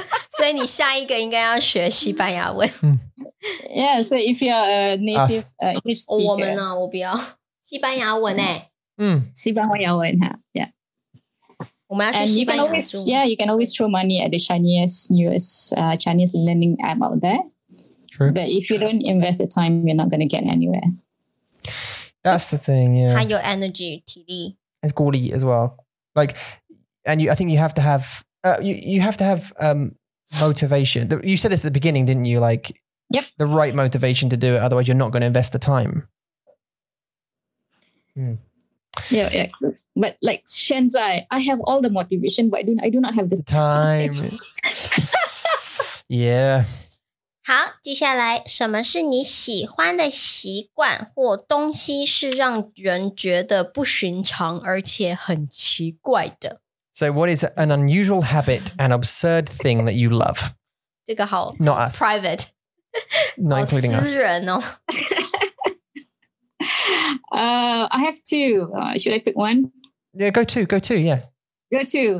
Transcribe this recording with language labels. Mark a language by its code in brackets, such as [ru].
[zh] 所以你下一个应该要学西班牙文。 [en] Yeah, so if you're a native English speaker. [zh] 我们呢，我不要。西班牙文。西班牙文, [en] yeah. And you can always throw money at the shiniest, newest Chinese learning app out there. True. But if you don't invest the time, you're not going to get anywhere. That's the thing, yeah. High your energy, 体力. It's 鼓励 as well. Like, and you, I think you have to have, you have to have motivation. You said this at the beginning, didn't you? Like, yep. The right motivation to do it. Otherwise, you're not going to invest the time. Yeah. But like Shenzai, I have all the motivation, but I do not have the time. Yeah. [zh] 好，接下来，什么是你喜欢的习惯或东西是让人觉得不寻常而且很奇怪的？ [en] So what is an unusual habit, an absurd thing that you love? [zh] 这个好 [en] Not us. Private. Not including us. [zh] 私人哦。 [en] I have two. Should I pick one? Yeah, go two, yeah. Go two.